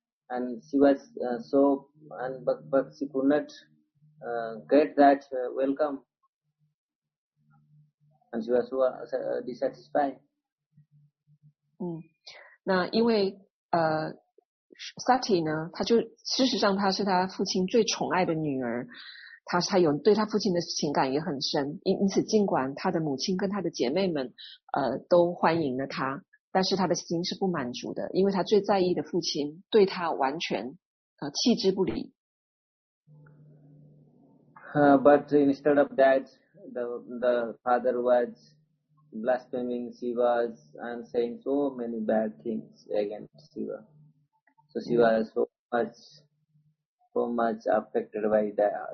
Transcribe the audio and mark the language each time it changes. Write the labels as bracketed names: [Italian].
[English] And she was so, and but she could not get that welcome, and she was so dissatisfied. [Chinese] 那因为Sati 呢，他就事实上他是他父亲最宠爱的女儿，他有对他父亲的情感也很深，因此尽管他的母亲跟他的姐妹们都欢迎了他。但是他的心是不满足的，因为他最在意的父亲对他完全弃之不理。 [English] But instead of that, the father was blaspheming Shiva and saying so many bad things against Shiva. So Shiva was so much affected by that.